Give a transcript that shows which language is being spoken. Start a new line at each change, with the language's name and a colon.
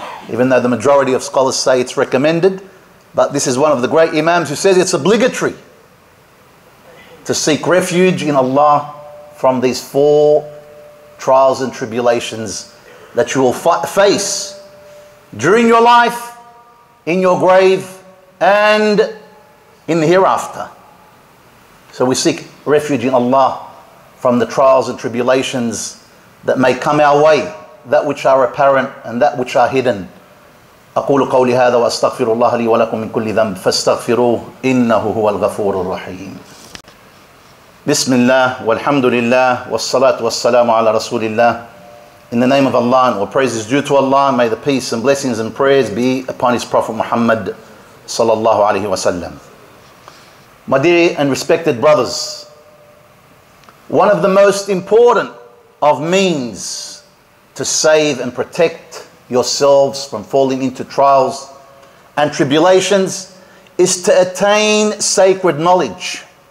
English: Even though the majority of scholars say it's recommended, but this is one of the great imams who says it's obligatory to seek refuge in Allah from these four trials and tribulations that you will face during your life, in your grave, and in the hereafter. So we seek refuge in Allah from the trials and tribulations that may come our way, that which are apparent and that which are hidden.
Arabic: أقول قولي هذا وأستغفر الله لي ولكم من كل ذنب فاستغفروه إنه هو الغفور الرحيم. بسم الله والحمد لله والصلاة والسلام على رسول الله.
English: In the name of Allah, and all praise is due to Allah, may the peace and blessings and prayers be upon His Prophet Muhammad
Arabic: صلى الله عليه وسلم.
English: My dear and respected brothers, one of the most important of means to save and protect yourselves from falling into trials and tribulations is to attain sacred knowledge